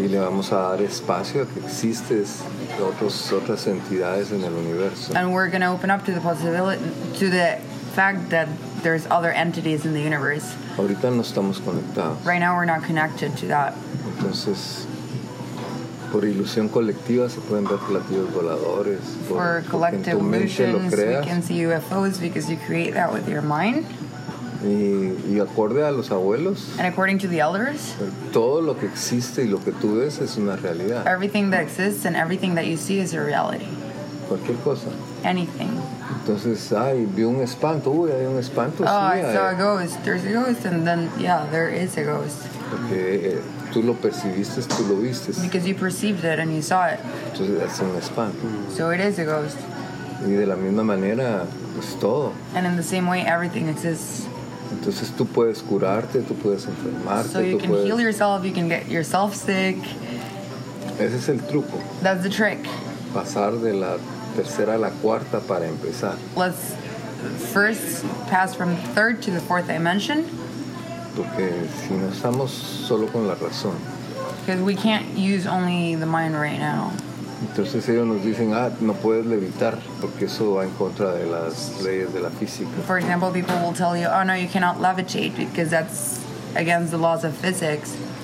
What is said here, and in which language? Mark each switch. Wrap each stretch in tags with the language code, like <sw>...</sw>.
<es>Y le vamos a dar espacio a que existes otras entidades en el universo.</es> <en>And we're going to open up to the possibility, to the fact that there's other entities in the universe.</en> <es>Ahorita no estamos conectados.</es> <en>Right now we're not connected to that.</en> <es>Entonces, por ilusión colectiva se pueden ver platillos voladores.</es> <en>For collective illusions, we can see UFOs because you create that with your mind.</en> <es>Y acorde a los abuelos,</es> <en>and according to the elders,</en> <es>todo lo que existe y lo que tú ves es una realidad.</es> <en>Everything that exists and everything that you see is a reality.</en> <es>Cualquier cosa.</es> <en>Anything.</en> <es>Entonces, vi un espanto. Uy, hay un espanto.</es> <en>Oh,</en> <es>sí,</es> <en>I saw a ghost. There's a ghost, and then, yeah, there is a ghost.</en> <es>Porque tú lo percibiste, tú lo viste.</es> <en>Because you perceived it and you saw it.</en> <es>Entonces, es un espanto.</es> <en>So it is a ghost.</en> <es>Y de la misma manera, pues todo.</es> <en>And in the same way, everything exists.</en> <es>Entonces tú puedes curarte, tú puedes enfermarte,</es> <en>so you</en> <es>tú</es> <en>can</en> <es>puedes</es> <en>heal yourself, you can get yourself sick.</en> <es>Ese es el truco.</es> <en>That's the trick.</en> <es>Pasar de la tercera a la cuarta para empezar.</es> <en>Let's first pass from the third to the fourth dimension.</en> <es>Porque si no estamos solo con la razón.</es> <en>Because we can't use only the mind right now.</en> <es>Entonces ellos nos dicen, no puedes levitar, porque eso va en contra de las leyes de la física.</es> <en>For example, people will tell you, no, you cannot levitate, because that's against the laws of physics.</en>